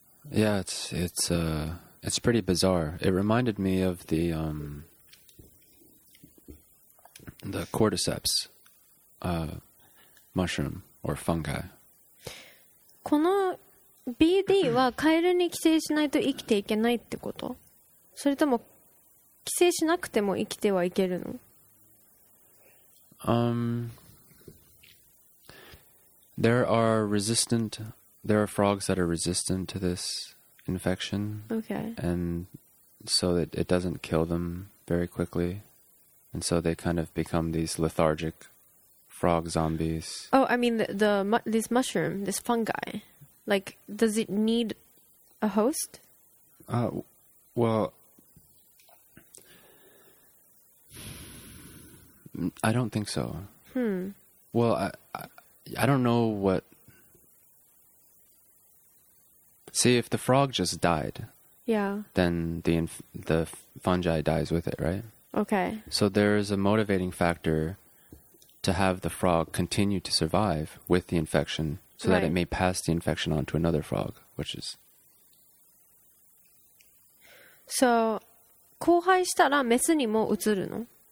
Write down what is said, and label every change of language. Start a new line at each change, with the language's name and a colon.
English: Yeah, it's pretty bizarre. It reminded me of the cordyceps mushroom or fungi.
Japanese: この BD はカエルに寄生しないと生きていけないってこと？それとも寄生しなくても生きてはいけるの？
English: There are frogs that are resistant to this infection. Okay. And so it doesn't kill them very quickly. And so they kind of become these lethargic frog zombies. Oh, I mean this mushroom, this fungi. Like, does it need a host? Well, I don't think so. Well, I don't know what... See, if the frog just died, yeah, then the fungi dies with it, right? Okay. So there is a motivating factor to have the frog continue to survive with the infection, so right. that it may pass the infection on to another frog, which is...
Japanese: So, 交配したらメスにも移るの？